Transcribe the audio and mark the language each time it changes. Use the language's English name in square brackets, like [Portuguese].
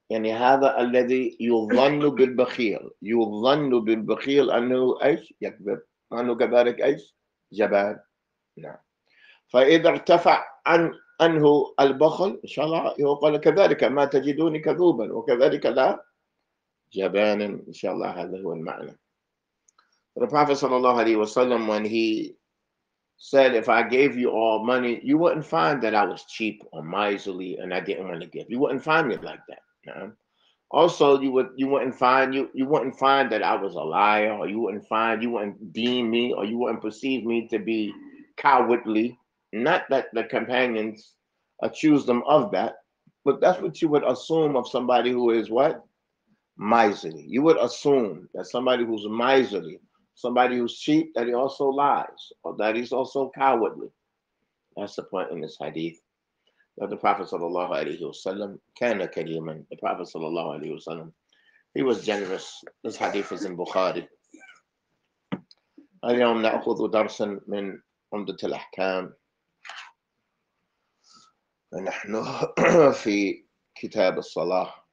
[Arabic] يعني هذا الذي يظن بالبخيل، يظن بالبخيل أنه إيش؟ يكذب، أنه كذلك إيش؟ جبان. نعم، فإذا ارتفع عن أنه البخل إن شاء الله يقول كذلك ما تجدوني كذوبا وكذلك لا جبانا. إن شاء الله هذا هو المعنى. رفعه صلى الله عليه وسلم [English] when he said if I gave you all money you wouldn't find that I was cheap or miserly and I didn't want to give. You wouldn't find me like that. Also you wouldn't find that I was a liar, or you wouldn't deem me or you wouldn't perceive me to be cowardly. Not that the companions accuse them of that, but that's what you would assume of somebody who is what? Miserly. You would assume that somebody who's miserly, somebody who's cheap, that he also lies, or that he's also cowardly. That's the point in this hadith. That the Prophet sallallahu alayhi wa sallam [Arabic] kana kareeman. [English] The Prophet sallallahu alayhi wa sallam, he was generous. This hadith is in Bukhari. [Arabic] اليوم نأخذ درسا من عمدة الأحكام. نحن في كتاب الصلاة.